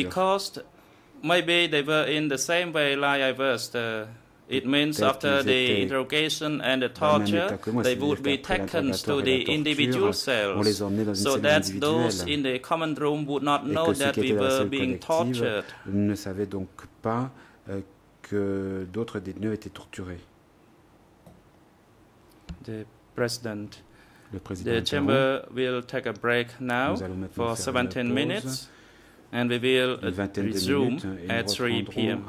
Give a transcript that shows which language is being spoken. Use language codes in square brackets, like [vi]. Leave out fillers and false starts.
[en] Because maybe they were in the same way like I was. It means after the interrogation and the torture, [fr] moi, [en] they would be taken to the individual cells, so that those in the common room would not know that we were being tortured. [fr] Ne savait donc pas que d'autres détenus étaient torturés. [en] The president. [fr] Le [en] the chamber will take a break now for 17 minutes, and we will resume at 3 p.m.